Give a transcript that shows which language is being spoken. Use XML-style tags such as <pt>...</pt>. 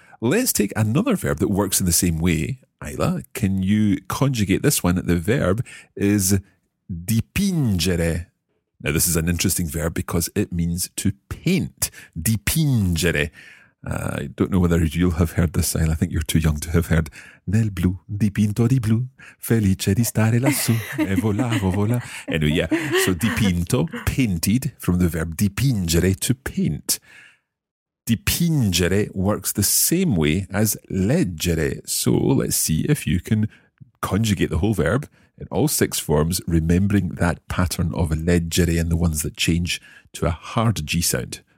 <en>Let's take another verb that works in the same way. Ayla, can you conjugate this one? The verb is dipingere. Now, this is an interesting verb because it means to paint. Dipingere. I don't know whether you'll have heard this, Ayla. I think you're too young to have heard.</en> <it>Nel blu, dipinto di blu, felice di stare lassù, e volavo, vola.</it> <en>Anyway, yeah. So dipinto, painted, from the verb dipingere, to paint. Dipingere works the same way as leggere. So let's see if you can conjugate the whole verb in all six forms, remembering that pattern of leggere and the ones that change to a hard G sound.</en>